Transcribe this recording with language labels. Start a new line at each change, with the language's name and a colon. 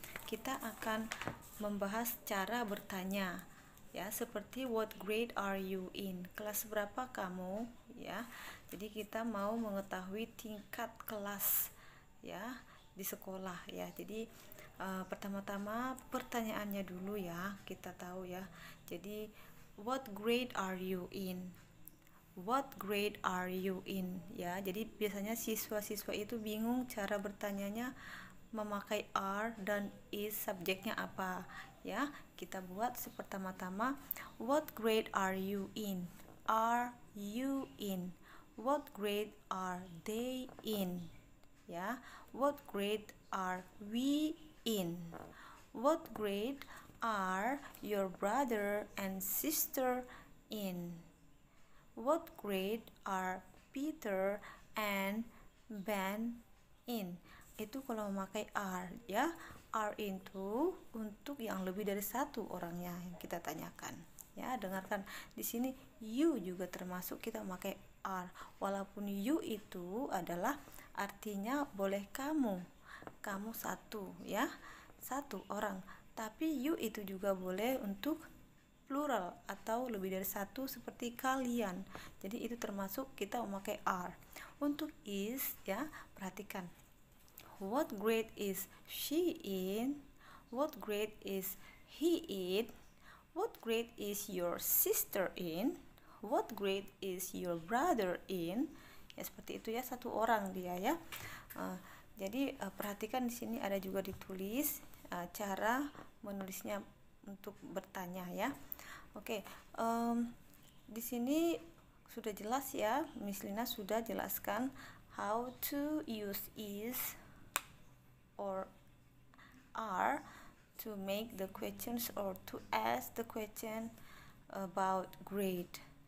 Indonesian: Kita akan membahas cara bertanya ya, seperti
English: What Grade Are You In?
Indonesian: Kelas berapa kamu ya? Jadi kita mau mengetahui tingkat kelas ya di sekolah ya. Jadi pertama-tama pertanyaannya dulu ya, kita tahu ya. Jadi
English: What grade are you in? What grade are you in?
Indonesian: Ya, jadi biasanya siswa-siswa itu bingung cara bertanyanya memakai are dan is, subjeknya apa? Ya, kita buat sepertama-tama.
English: What grade are you in? Are you in? What grade are they in?
Indonesian: Ya,
English: what grade are we in? What grade are your brother and sister in? What grade are Peter and Ben in?
Indonesian: Itu kalau memakai are ya. Are itu untuk yang lebih dari satu orangnya yang kita tanyakan. Ya, dengarkan di sini you juga termasuk kita memakai are. Walaupun you itu adalah artinya boleh kamu. Kamu satu ya. Satu orang. Tapi you itu juga boleh untuk plural atau lebih dari satu seperti kalian. Jadi itu termasuk kita memakai are. Untuk is ya, perhatikan.
English: What grade is she in? What grade is he in? What grade is your sister in? What grade is your brother in?
Indonesian: Ya seperti itu ya, satu orang dia ya. Jadi perhatikan di sini ada juga ditulis cara menulisnya untuk bertanya ya. Oke, di sini sudah jelas ya, Miss Lina sudah jelaskan
English: how to use is or are to make the questions or to ask the question about grade.